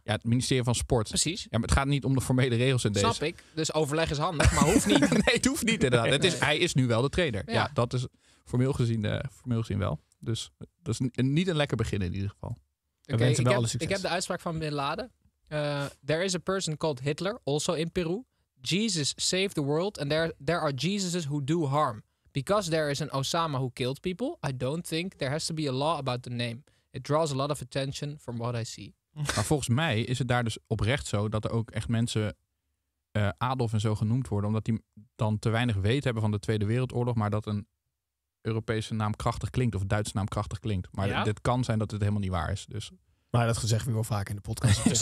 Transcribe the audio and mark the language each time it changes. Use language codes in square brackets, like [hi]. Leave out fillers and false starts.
[nl] Ja, het ministerie van Sport. Precies. Ja, maar het gaat niet om de formele regels in deze. Snap ik. Dus overleg is handig, maar hoeft niet. Nee, het hoeft niet inderdaad. Nee. Hij is nu wel de trainer. Ja, ja dat is formeel gezien wel. Dus dat is niet een lekker begin in ieder geval. Okay, we wensen wel alle succes. Ik heb de uitspraak van Bin Laden. [en] There is a person called Hitler, also in Peru. Jesus saved the world and there are Jesuses who do harm. Because there is an Osama who killed people, I don't think there has to be a law about the name. It draws a lot of attention from what I see. [nl] Maar volgens mij is het daar dus oprecht zo dat er ook echt mensen Adolf en zo genoemd worden. Omdat die dan te weinig weet hebben van de Tweede Wereldoorlog. Maar dat een Europese naam krachtig klinkt of Duitse naam krachtig klinkt. Maar ja? Dit kan zijn dat het helemaal niet waar is. Dus. Maar dat gezegd weer wel vaak in de podcast.